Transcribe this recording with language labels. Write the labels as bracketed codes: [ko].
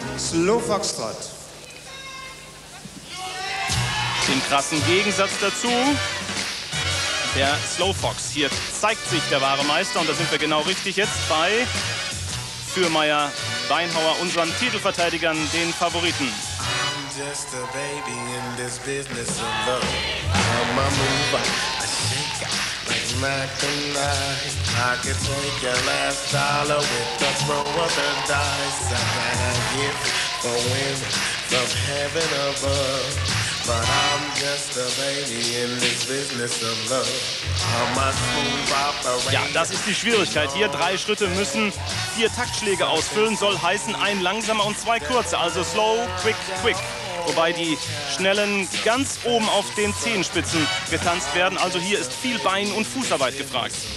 [de] Slow Foxtrot. Im krassen Gegensatz dazu, der Slow Fox. Hier zeigt sich der wahre Meister und da sind wir genau richtig jetzt bei Fürmeier, Beinhauer, unseren Titelverteidigern, den Favoriten. [en] I'm just a baby in this business of love. I'm a mover, a shaker, like Mac and I. I could take your last dollar with a throw of the dice. I had a gift for women from heaven above. But I'm just a baby in this business of love. I'm a smooth operator. [de] Ja, das ist die Schwierigkeit hier. 3 Schritte müssen 4 Taktschläge ausfüllen. Soll heißen, 1 langsamer und 2 kurze. Also slow, quick, quick. Wobei die schnellen ganz oben auf den Zehenspitzen getanzt werden. Also hier ist viel Bein- und Fußarbeit gefragt.